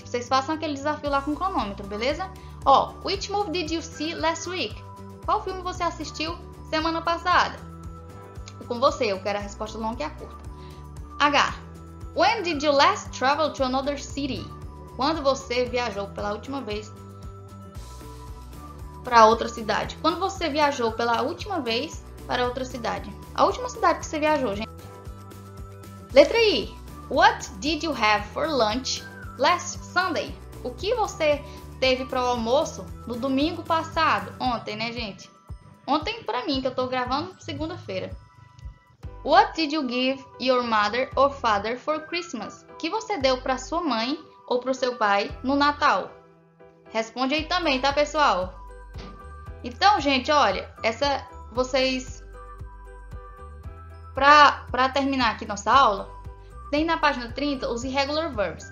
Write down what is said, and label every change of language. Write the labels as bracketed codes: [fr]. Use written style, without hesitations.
[pt] Vocês façam aquele desafio lá com o cronômetro, beleza? Ó, [en] which movie did you see last week? [pt] Qual filme você assistiu semana passada? Com você, eu quero a resposta longa e a curta. H. [en] When did you last travel to another city? [pt] Quando você viajou pela última vez para outra cidade? Quando você viajou pela última vez para outra cidade? A última cidade que você viajou, gente. Letra I. [en] What did you have for lunch last Sunday? [pt] O que você teve para o almoço no domingo passado, ontem, né, gente? Ontem para mim, que eu tô gravando segunda-feira. [en] What did you give your mother or father for Christmas? [pt] O que você deu para sua mãe ou para o seu pai no Natal? Responde aí também, tá, pessoal? Então, gente, olha, essa vocês para terminar aqui nossa aula, tem na página 30 os irregular verbs.